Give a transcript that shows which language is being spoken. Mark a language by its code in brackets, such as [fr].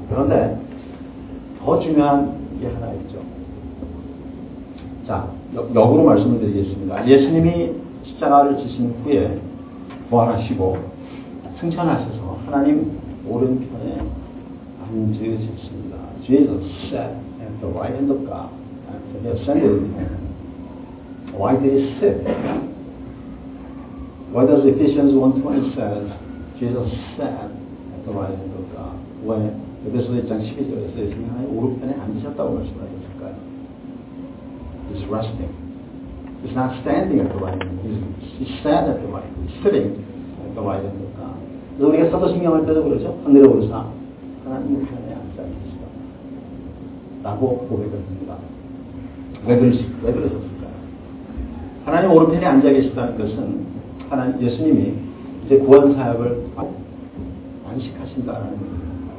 [ko] 그런데 더 중요한 게 하나 있죠. 자, 역으로 말씀을 드리겠습니다. 예수님이 십자가를 지신 후에 부활하시고 승천하셔서 하나님 오른편에 앉으셨습니다. [en] Jesus sat at the right hand of God and he ascended. Why did he sit? Why does Ephesians 1:20 says Jesus sat at the right hand of God? [ko] 왜 에베소서 1장 12절에서 예수님 하나님 오른편에 앉으셨다고 말씀하셨을까요? [en] He's resting. He's not standing at the right hand. He sat at the right. He's sitting at the right hand of God. [ko] 그래서 우리가 사도신경 할 때도 그러죠. 하늘에 오르사 하나님 편에 앉아 계시다라고 고백합니다. 왜 그러셨을까요? 하나님 오른편에 앉아 계시다는 것은 하나님 예수님이 이제 구원 사역을 안식하신다라는 것입니다.